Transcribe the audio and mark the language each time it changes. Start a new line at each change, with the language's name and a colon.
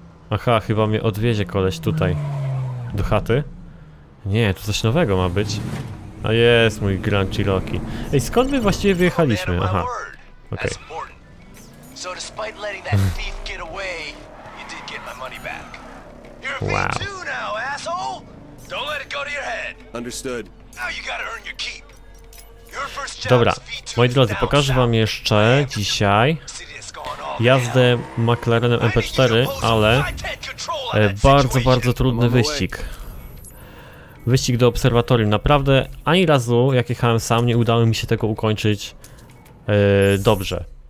Polish: Aha, chyba mnie odwiezie koleś tutaj. Do chaty? Nie, tu coś nowego ma być. A jest mój Grand Cherokee. Ej, skąd my właściwie wyjechaliśmy? Aha. Okej.
English: So despite letting that thief get away, you did get my money back. You're a thief too now, asshole! Don't let it go to your head. Understood. Now you gotta earn your keep. Your first job.
Polish: Dobra, moi drodzy, pokażę wam jeszcze dzisiaj jazdę McLarenem MP4, ale bardzo, bardzo trudny wyścig. Wyścig do obserwatorium. Naprawdę ani razu, jak jechałem sam, nie udało mi się tego ukończyć dobrze.